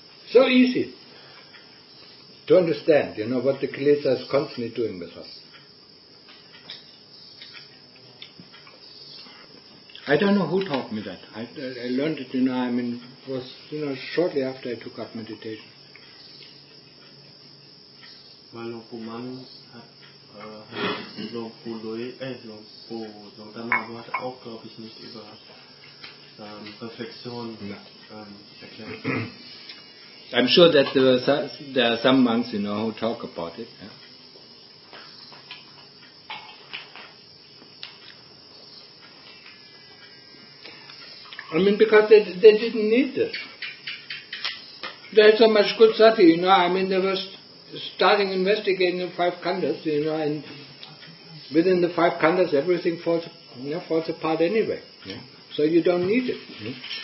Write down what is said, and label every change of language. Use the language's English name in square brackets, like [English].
[English] So easy to understand, you know, what the Kilesa is constantly doing with us. I don't know who taught me that. I learned it, you know, I mean, it was, you know, shortly after I took up meditation. [German] Weil Lungpa Man hat auch, glaube ich, nicht über Reflexion erklärt. [English] I'm sure that there are some monks, you know, who talk about it. Yeah. I mean, because they didn't need it. There's so much good sati, you know, I mean, there was starting investigating the five khandhas, you know, and within the five khandhas everything falls, you know, falls apart anyway. Yeah. So you don't need it. Mm-hmm.